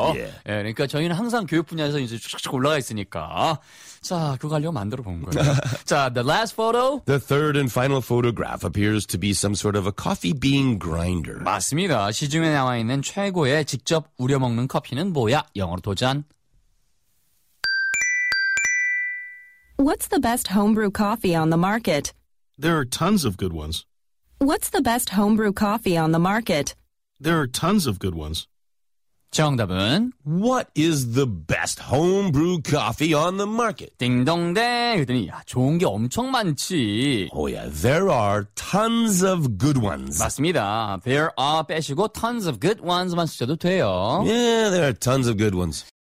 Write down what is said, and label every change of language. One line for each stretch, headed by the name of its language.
English: Yeah.
Korean: 네, 그러니까 저희는 항상 교육 분야에서 이제 쭉쭉 올라가 있으니까. 자, 그거 하려고 만들어 본 거예요. 자,
English: the last photo. The third and final photograph appears to be some sort of a coffee bean grinder.
Korean: 맞습니다. 시중에 나와 있는 최고의 직접 우려 먹는 커피는 뭐야? 영어로 도전.
English: What's the best homebrew coffee on the market? There are tons of good ones. What's the best homebrew coffee on the market? There are tons of good ones.
Korean: 정답은
English: What is the best homebrew coffee on the market?
Korean: 딩동댕. 그랬더니 야, 좋은 게 엄청 많지.
English: Oh yeah, there are tons of good ones.
Korean: 맞습니다.
English: There are
Korean: 빼시고
English: tons of good ones만
Korean: 쓰셔도 돼요.
English: Yeah, there are tons of good ones.